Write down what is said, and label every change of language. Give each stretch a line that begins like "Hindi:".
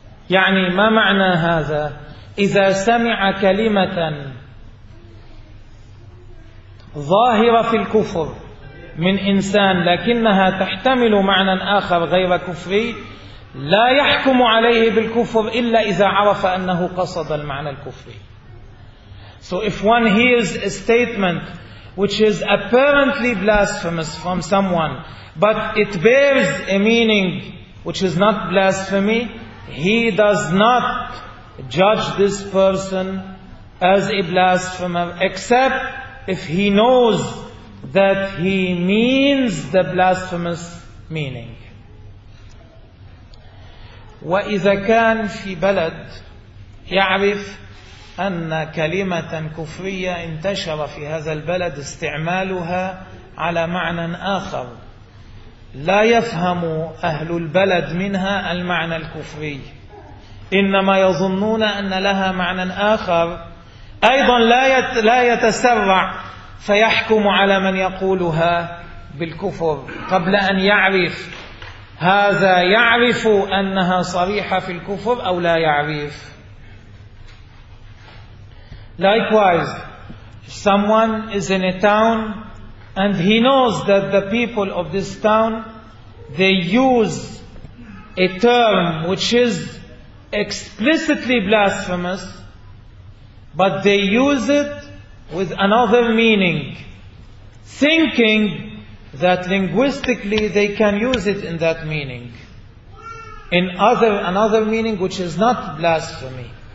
Arabic: يعني ما معنى هذا؟ إذا سمع كلمة ظاهرة في الكفر من إنسان لكنها تحتمل معنى آخر غير كفري لا يحكم عليه بالكفر إلا إذا عرف أنه قصد المعنى الكفري.
English: So if one hears a statement which is apparently blasphemous from someone, but it bears a meaning which is not blasphemy, he does not judge this person as a blasphemer, except if he knows that he means the blasphemous meaning.
Arabic: وَإِذَا كَانْ فِي بَلَدْ يَعْرِفْ أن كلمة كفرية انتشر في هذا البلد استعمالها على معنى آخر لا يفهم أهل البلد منها المعنى الكفري إنما يظنون أن لها معنى آخر أيضا لا يتسرع فيحكم على من يقولها بالكفر قبل أن يعرف هذا يعرف أنها صريحة في الكفر أو لا يعرف.
English: Likewise, someone is in a town and he knows that the people of this town, they use a term which is explicitly blasphemous, but they use it with another meaning, thinking that linguistically they can use it in that meaning, in another meaning which is not blasphemy.